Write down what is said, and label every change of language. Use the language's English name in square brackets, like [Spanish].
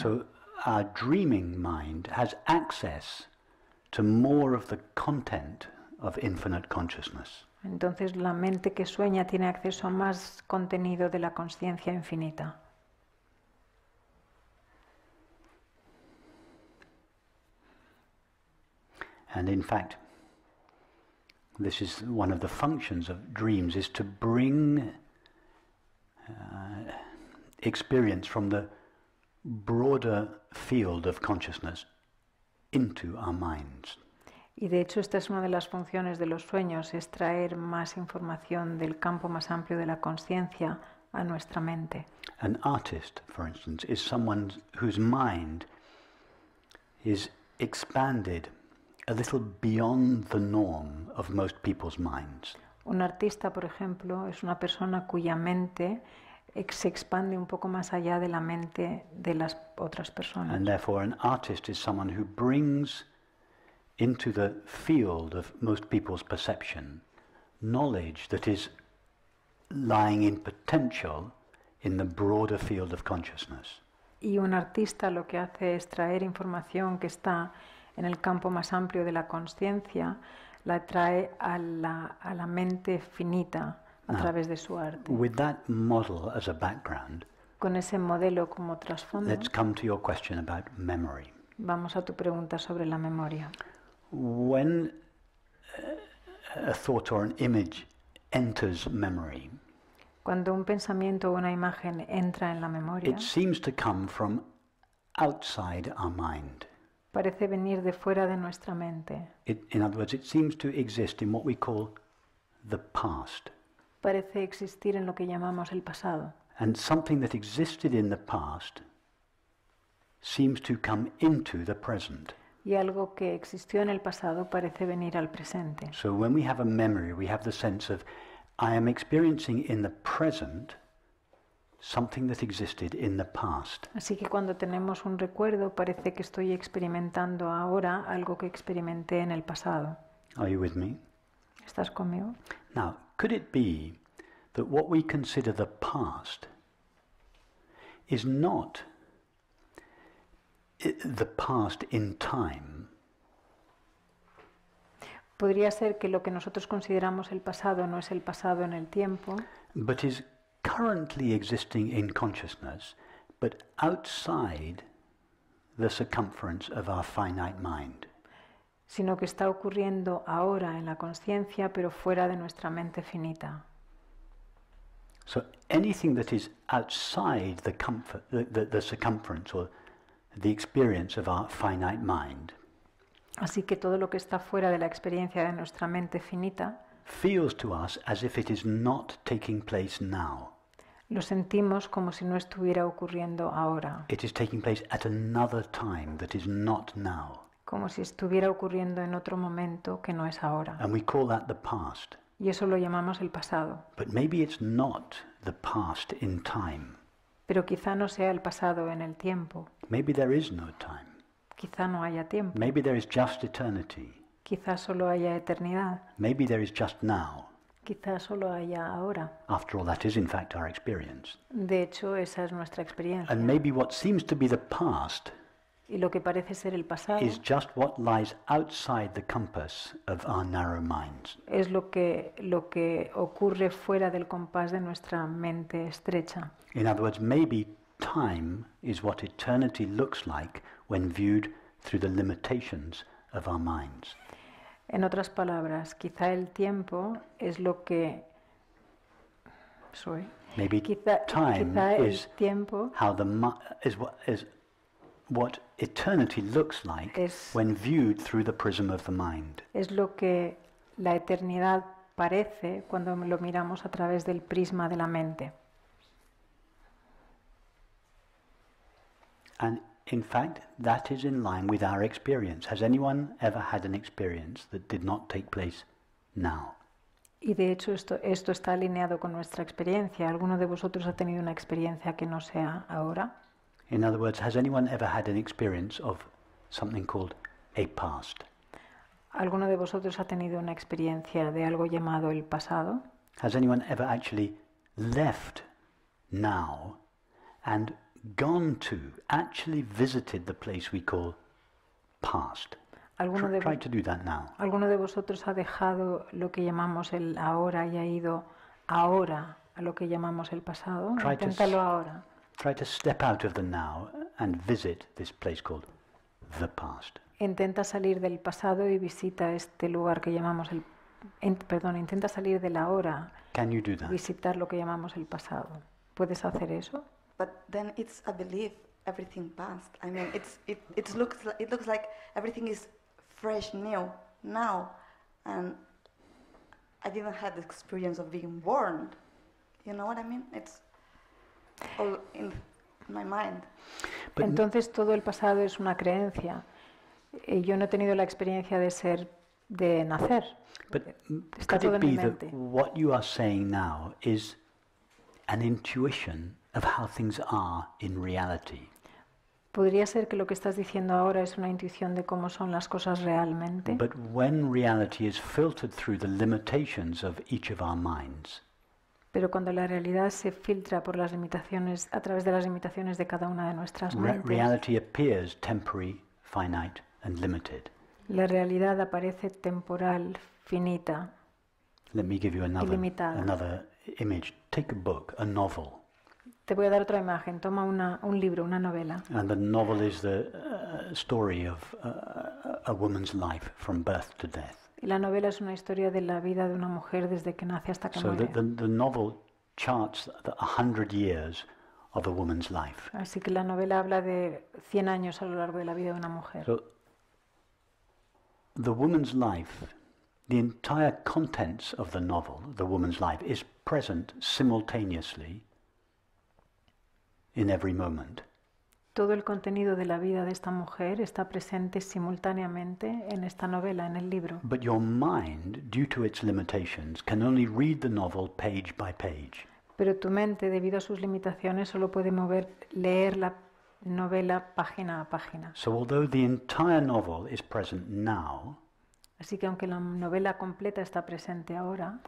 [English] So, our dreaming mind has access to more of the content of infinite consciousness. [Spanish] Entonces la mente que sueña tiene acceso a más contenido de la conciencia infinita. [English] And in fact, this is one of the functions of dreams, is to bring experience from the broader field of consciousness into our minds. [Spanish] Y de hecho esta es una de las funciones de los sueños, es traer más información del campo más amplio de la conciencia a nuestra mente. [English] An artist, for instance, is someone whose mind is expanded a little beyond the norm of most people's minds. [Spanish] Un artista, por ejemplo, es una persona cuya mente se expande un poco más allá de la mente de las otras personas. [English] And therefore an artist is someone who brings into the field of most people's perception knowledge that is lying in potential in the broader field of consciousness. [Spanish] Y un artista lo que hace es traer información que está en el campo más amplio de la conciencia, la trae a la mente finita a [English] Now, [Spanish] través de su arte. [English] With that model as a background, [Spanish] con ese modelo como trasfondo, [English] let's come to your question about memory. [Spanish] Vamos a tu pregunta sobre la memoria. [English] When a thought or an image enters memory, [Spanish] cuando un pensamiento o una imagen entra en la memoria, [English] it seems to come from outside our mind. [Spanish] Parece venir de fuera de nuestra mente. [English] It, in other words, it seems to exist in what we call the past. [Spanish] Parece existir en lo que llamamos el pasado. [English] And something that existed in the past seems to come into the present. [Spanish] Y algo que existió en el pasado parece venir al presente. [English] So when we have a memory, we have the sense of I am experiencing in the present something that existed in the past. [Spanish] Así que cuando tenemos un recuerdo, parece que estoy experimentando ahora algo que experimenté en el pasado. [English] Are you with me? [Spanish] ¿Estás conmigo? [English] Now, could it be that what we consider the past is not the past in time? [Spanish] Podría ser que lo que nosotros consideramos el pasado no es el pasado en el tiempo, [English] but is currently existing in consciousness, but outside the circumference of our finite mind. [Spanish] sino que está ocurriendo ahora en la conciencia, pero fuera de nuestra mente finita. [English] So anything that is outside the comfort, the circumference or the experience of our finite mind. [Spanish] Así que todo lo que está fuera de la experiencia de nuestra mente finita [English] feels to us as if it is not taking place now. [Spanish] Lo sentimos como si no estuviera ocurriendo ahora. [English] It is taking place at another time that is not now. [Spanish] Como si estuviera ocurriendo en otro momento que no es ahora. [English] And we call that the past. [Spanish] Y eso lo llamamos el pasado. [English] But maybe it's not the past in time. [Spanish] Pero quizá no sea el pasado en el tiempo. [English] Maybe there is no time. [Spanish] Quizá no haya tiempo. [English] Maybe there is just eternity. [Spanish] Quizá solo haya eternidad. [English] Maybe there is just now. [Spanish] Quizá solo haya ahora. [English] After all, that is in fact our experience. [Spanish] De hecho, esa es nuestra experiencia. [English] And maybe what seems to be the past [Spanish] y lo que parece ser el pasado [English] is just what lies outside the compass of our narrow minds. [Spanish] Es lo que ocurre fuera del compás de nuestra mente estrecha. [English] In other words, maybe time is what eternity looks like when viewed through the limitations of our minds. [Spanish] En otras palabras, quizá el tiempo es lo que soy. [English] Maybe [Spanish] quizá, [English] time [Spanish] quizá el [English] is [Spanish] tiempo [English] how the is what eternity looks like [Spanish] es, [English] when viewed through the prism of the mind. [Spanish] Es lo que la eternidad parece cuando lo miramos a través del prisma de la mente. [English] And in fact, that is in line with our experience. Has anyone ever had an experience that did not take place now? [Spanish] Y de hecho esto está alineado con nuestra experiencia. ¿Alguno de vosotros ha tenido una experiencia que no sea ahora? [English] In other words, has anyone ever had an experience of something called a past? [Spanish] ¿Alguno de vosotros ha tenido una experiencia de algo llamado el pasado? [English] Has anyone ever actually left now and gone to, actually visited the place we call past? Try to do that now. [Spanish] ¿Alguno de vosotros ha dejado lo que llamamos el ahora y ha ido ahora a lo que llamamos el pasado? Inténtalo ahora. [English] Try to step out of the now and visit this place called the past. [Spanish] Intenta salir del pasado y visita este lugar que llamamos el... intenta salir del ahora. [English] Can you do that? [Spanish] Visitar lo que llamamos el pasado. ¿Puedes hacer eso? [English] But then it's a belief, everything past. I mean, it looks like everything is fresh, new, now. And I didn't have the experience of being born. You know what I mean? It's all in my mind. [Spanish] But entonces todo el pasado es una creencia. Y yo no he tenido la experiencia de ser, de nacer. [English] But está could it be that what you are saying now is an intuition of how things are in reality? [Spanish] Podría ser que lo que estás diciendo ahora es una intuición de cómo son las cosas realmente. [English] But when reality is filtered through the limitations of each of our minds. [Spanish] Pero cuando la realidad se filtra por las limitaciones a través de las limitaciones de cada una de nuestras mentes. [English] Reality appears temporary, finite and limited. [Spanish] La realidad aparece temporal, finita. [English] Let me give you another image. Take a book, a novel. [Spanish] Te voy a dar otra imagen. Toma un libro, una novela. [English] And the novel is the story of a woman's life from birth to death. [Spanish] Y la novela es una historia de la vida de una mujer desde que nace hasta que [English] so [Spanish] muere. [English] So the novel charts 100 years of a woman's life. [Spanish] Así que la novela habla de 100 años a lo largo de la vida de una mujer. [English] So the woman's life, the entire contents of the novel, the woman's life, is present simultaneously in every moment. [Spanish] Todo el contenido de la vida de esta mujer está presente simultáneamente en esta novela, en el libro. [English] But your mind, due to its limitations, can only read the novel page by page. [Spanish] Pero tu mente, debido a sus limitaciones, solo puede mover, leer la novela página a página. [English] So although the entire novel is present now, [Spanish] así que aunque la novela completa está presente ahora,